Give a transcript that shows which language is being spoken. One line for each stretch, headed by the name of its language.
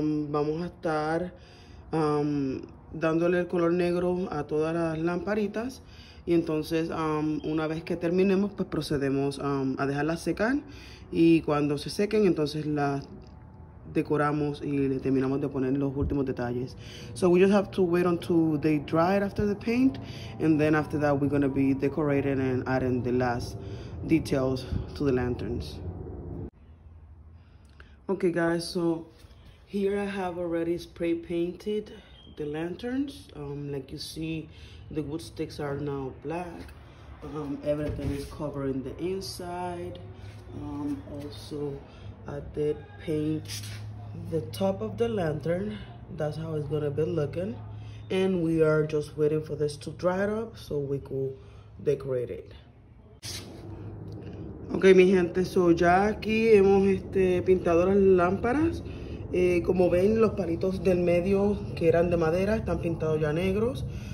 Spanish: Vamos a estar dándole el color negro a todas las lamparitas. Y entonces, una vez que terminemos, pues procedemos a dejarlas secar. Y cuando se sequen, entonces las decoramos y le terminamos de poner los últimos detalles.
English: So we just have to wait until they dry after the paint. And then after that, we're going to be decorating and adding the last details to the lanterns. Okay guys, so here I have already spray painted the lanterns. Like you see, the wood sticks are now black. Everything is covering the inside. Also, I did paint the top of the lantern. That's how it's gonna be looking. And we are just waiting for this to dry up so we could decorate it.
Spanish: Ok, mi gente, so ya aquí hemos pintado las lámparas. Como ven, los palitos del medio que eran de madera están pintados ya negros.